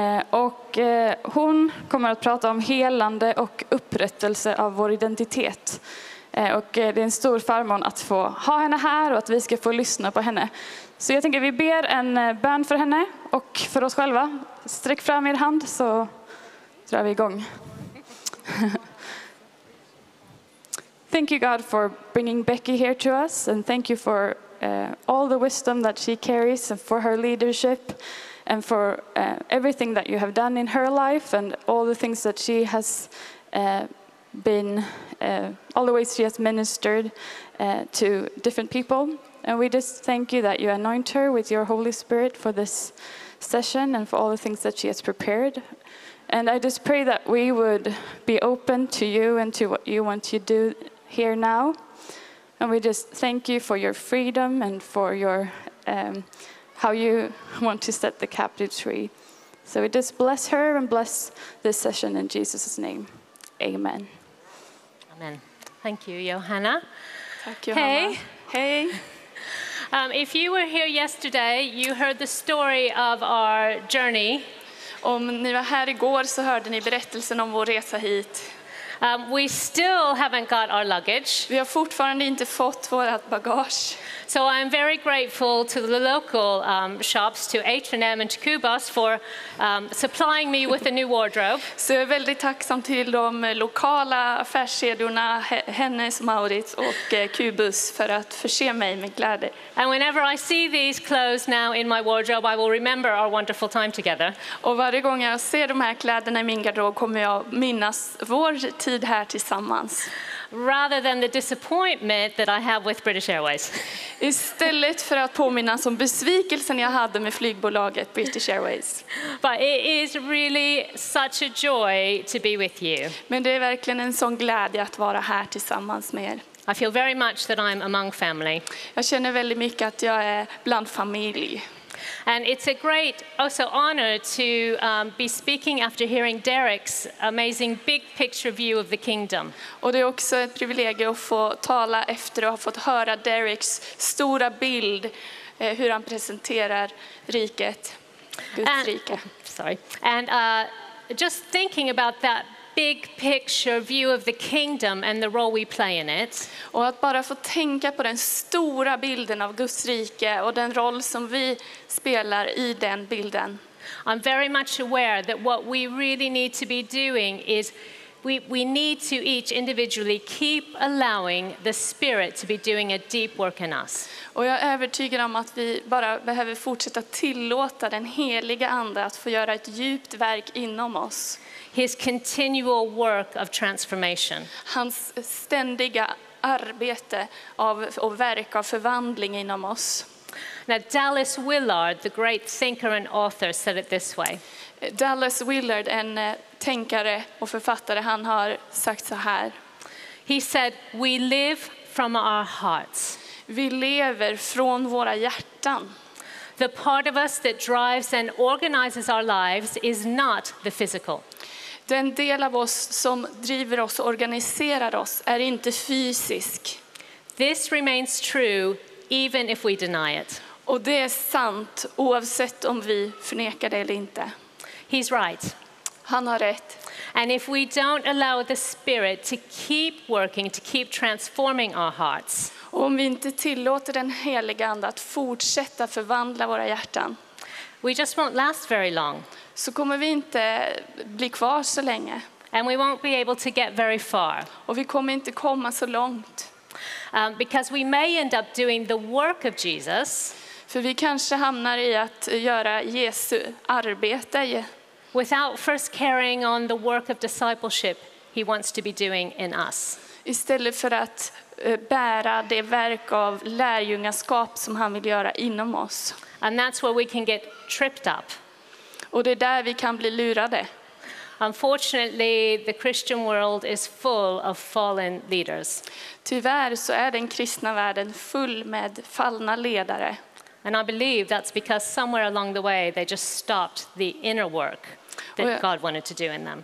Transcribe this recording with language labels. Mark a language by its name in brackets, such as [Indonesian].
[Swedish] Och hon kommer att prata om helande och upprättelse av vår identitet. Och det är en stor förmån att få ha henne här och att vi ska få lyssna på henne. Så jag tänker vi ber en bön för henne och för oss själva. Sträck fram er hand så drar vi igång. [English] Thank you God for bringing Becky here to us, and thank you for all the wisdom that she carries and for her leadership and for everything that you have done in her life and all the things that she has been, all the ways she has ministered to different people. And we just thank you that you anoint her with your Holy Spirit for this session and for all the things that she has prepared. And I just pray that we would be open to you and to what you want to do here now. And we just thank you for your freedom and for your how you want to set the captive free. So we just bless her and bless this session in Jesus' name. Amen. Amen. Thank you, Johanna. Thank you, Johanna. Hey. Hey. If you were here yesterday, you heard the story of our journey. [Swedish] Om ni var här igår så hörde ni berättelsen om vår resa hit. [English] We still haven't got our luggage. [Swedish] Vi har fortfarande inte fått vårt bagage. [English] So I'm very grateful to the local shops, to H&M and to Kubas, for supplying me with a new wardrobe. [Swedish] Så jag är väldigt tacksam till de lokala affärskedjorna Hennes, Maurits och Kubus för att förse mig med kläder. [English] And whenever I see these clothes now in my wardrobe, I will remember our wonderful time together. [Swedish] Och varje gång jag ser de här kläderna i min garderob kommer jag minnas vår tid här tillsammans. [English] Rather than the disappointment that I have with British Airways. [Swedish] Istället för att påminna om besvikelsen jag hade med flygbolaget British Airways. [English] But it is really such a joy to be with you. [Swedish] Men det är verkligen en sån glädje att vara här tillsammans med er. [English] I feel very much that I'm among family. [Swedish] Jag känner väldigt mycket att jag är bland familj. [English] And it's a great also honor to be speaking after hearing Derek's amazing big picture view of the kingdom. [Swedish] Och det är också ett privilegium att få tala efter att ha fått höra Derek's stora bild hur han presenterar riket, Guds rike. [English] Sorry. And just thinking about that big picture view of the kingdom and the role we play in it. [Swedish] Och att bara få tänka på den stora bilden av Guds rike och den roll som vi spelar i den bilden. [English] I'm very much aware that what we really need to be doing is we need to each individually keep allowing the Spirit to be doing a deep work in us. [Swedish] Och jag är övertygad om att vi bara behöver fortsätta tillåta den heliga ande att få göra ett djupt verk inom oss. [English] His continual work of transformation. [Swedish] Hans ständiga arbete av och verk av förvandling inom oss. [English] Now Dallas Willard, the great thinker and author, said it this way. [Swedish] Dallas Willard, en tänkare och författare, han har sagt så här. [English] He said, "We live from our hearts." [Swedish] Vi lever från våra hjärtan. [English] The part of us that drives and organizes our lives is not the physical. [Swedish] Den del av oss som driver oss och organiserar oss är inte fysisk. [English] This remains true even if we deny it. [Swedish] Och det är sant oavsett om vi förnekar det eller inte. [English] He's right. [Swedish] Han har rätt. [English] And if we don't allow the Spirit to keep working, to keep transforming our hearts. [Swedish] Och om vi inte tillåter den heliga ande att fortsätta förvandla våra hjärtan. [English] We just won't last very long. [Swedish] Så kommer vi inte bli kvar så länge. [English] And we won't be able to get very far. [Swedish] Och vi kommer inte komma så långt. [English] Because we may end up doing the work of Jesus. [Swedish] För vi kanske hamnar i att göra Jesu arbete. [English] Without first carrying on the work of discipleship he wants to be doing in us. [Swedish] Istället för att bära det verk av lärjungaskap som han vill göra inom oss. [English] And that's where we can get tripped up. [Swedish] Och det är där vi kan bli lurade. [English] Unfortunately, the Christian world is full of fallen leaders. [Swedish] Tyvärr så är den kristna världen full med fallna ledare. [English] And I believe that's because somewhere along the way they just stopped the inner work that God wanted to do in them.